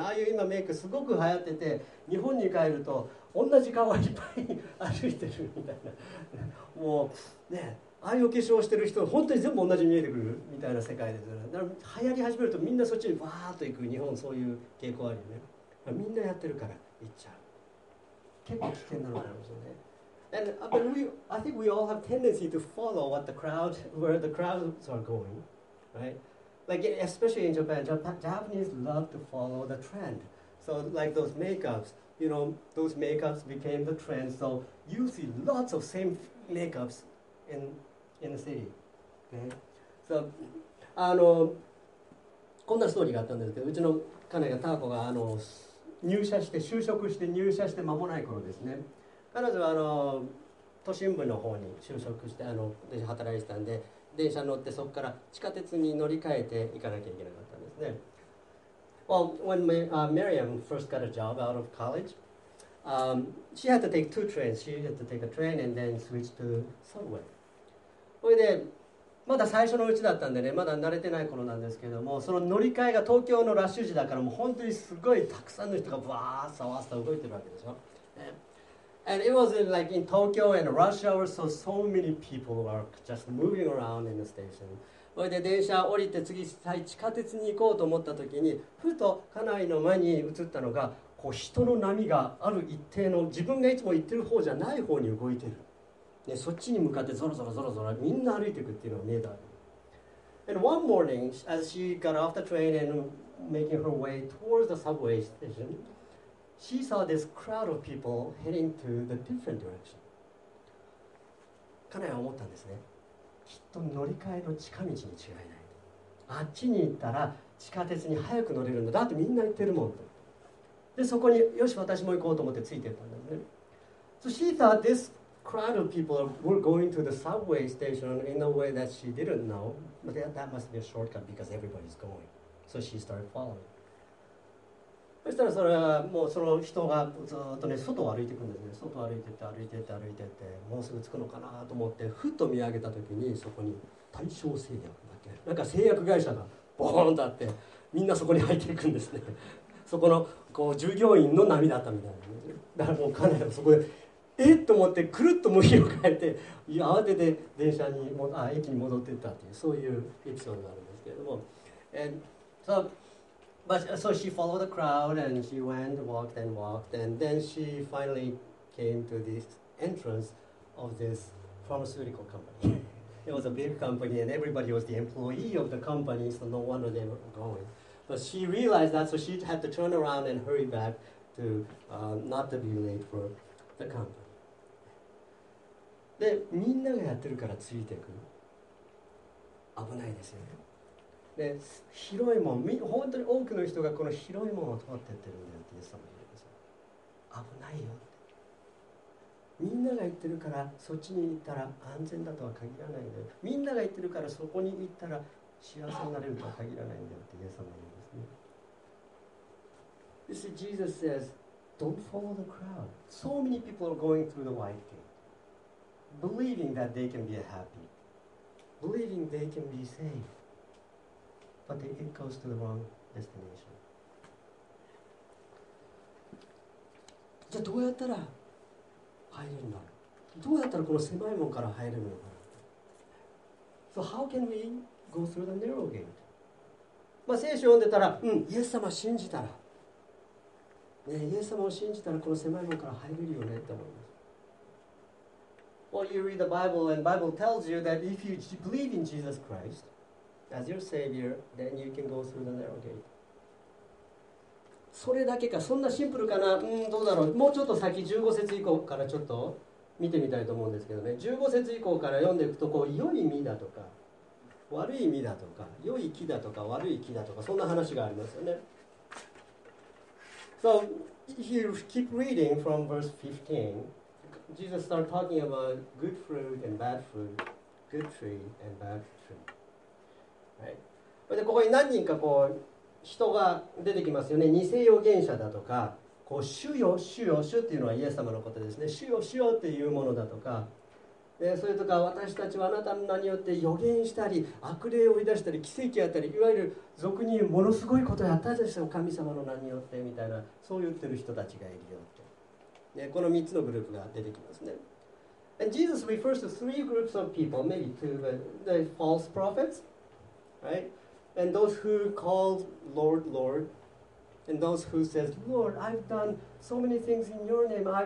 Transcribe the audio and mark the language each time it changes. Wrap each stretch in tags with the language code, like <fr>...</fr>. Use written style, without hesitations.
<ja>ああいう今メイクすごく流行ってて、日本に帰ると同じ顔がいっぱい歩いてるみたいな、もうね、ああいう化粧してる人本当に全部同じ見えてくるみたいな世界ですよね。だから流行り始めるとみんなそっちにわーっと行く。日本そういう傾向あるよね。みんなやってるから行っちゃう、結構危険なのかもしれない。</ja> <en>And but we, I think we all have tendency to follow what the crowd, where the crowds are going, right? Like especially in Japan, Japanese love to follow the trend. So like those makeups, you know, those makeups became the trend. So you see lots of same makeups in the city. Okay. So,</en> <ja>あのこんなストーリーがあったんですけど、うちの彼女がターコがあの入社して就職して入社して間もない頃ですね。彼女はあの都心部の方に就職してあの働いてたんで、電車乗ってそこから地下鉄に乗り換えて行かなきゃいけなかったんですね。</ja> <en>Well, when Miriam first got a job out of college, she had to take two trains. She had to take a train and then switch to subway.</en> <ja>それで、まだ最初のうちだったんでね、まだ慣れてない頃なんですけども、その乗り換えが東京のラッシュ時だから、もう本当にすごいたくさんの人がブワーッサワッサ動いてるわけでしょ。</ja> <en>And it was like in Tokyo and rush hour, so so many people were just moving around in the station.</en> <ja>それで電車降りて次地下鉄に行こうと思った時に、ふと家内の前に映ったのが、こう人の波がある一定の自分がいつも行ってる方じゃない方に動いてる。ね、そっちに向かってゾロゾロゾロゾロみんな歩いていくっていうのが見えた。</ja> <en>And one morning, as she got off the train and making her way towards the subway station,She saw this crowd of people heading to the different direction.</en> <ja>彼は思ったんですね。きっと乗り換えの近道に違いない。あっちに行ったら地下鉄に早く乗れるんだ。だってみんな行ってるもん。で、そこによし、私も行こうと思ってついていったんだよね。</ja> <en>So she thought this crowd of people were going to the subway station in a way that she didn't know. But that must be a shortcut because everybody's going. So she started following.</en> <ja>そしたらそれはもうその人がずっとね外を歩いていくんですね。外を歩いてって歩いてって歩いてって、もうすぐ着くのかなと思ってふっと見上げた時に、そこに大正製薬だっけ、なんか製薬会社がボーンとあって、みんなそこに入っていくんですね。そこのこう従業員の波だったみたいな、ね、だからもうかなりそこでえっと思ってくるっと向きを変えて慌てて電車に駅に戻っていったっていう、そういうエピソードがあるんですけれども。</ja> <en>And soBut so she followed the crowd and she went, walked and walked, and then she finally came to this entrance of this pharmaceutical company. It was a big company and everybody was the employee of the company, so no wonder they were going. But she realized that, so she had to turn around and hurry back to not to be late for the company.</en> <ja>で、みんながやってるからついていく。危ないですよね。で、広いもん、本当に多くの人がこの広いもんを通っていってるんだよってイエス様が言うんですよ。危ないよって。みんなが行ってるからそっちに行ったら安全だとは限らないんだよ。みんなが行ってるからそこに行ったら幸せになれるとは限らないんだよってイエス様が言うんですね。</ja> <en>You see, Jesus says, don't follow the crowd. So many people are going through the white gate. Believing that they can be happy. Believing they can be safe. But it goes to the wrong destination.</en> <ja>じゃあどうやったら入れるんだろう。どうやったらこの狭い門から入れるのかな。</ja> <en>So how can we go through the narrow gate?</en> <ja>まあ聖書読んでたら、うん、イエス様信じたら、ね、イエス様を信じたらこの狭い門から入れるよねって思います。</ja> <en>Well, you read the Bible and the Bible tells you that if you believe in Jesus Christ as your Savior, then you can go through the narrow gate.</en> <ja>それだけか、そんなシンプルかな、うん、どうだろう。もうちょっと先、15節以降からちょっと見てみたいと思うんですけどね。 15節以降から読んでいくと、こう、良い実だとか、悪い実だとか、良い木だとか、悪い木だとか、そんな話がありますよね。</ja> <en>So, if you keep reading from verse 15, Jesus started talking about good fruit and bad fruit, good tree and bad tree. Right?</en> <ja>で、ここに何人かこう、人が出てきますよね。偽預言者だとか、こう、主よ、主よ、主っていうのはイエス様のことですね。主よ、主よっていうものだとか、でそれとか、私たちはあなたの名によって預言したり、悪霊を追い出したり、奇跡やったり、いわゆる俗に言うものすごいことやったでしょ、神様の名によってみたいな、そう言ってる人たちがいるよって。でこの3つのグループが出てきますね。</ja> <en>And Jesus refers to three groups of people, maybe two, but the false prophets, right? And those who called Lord, Lord, and those who says, Lord, I've done so many things in your name.</en>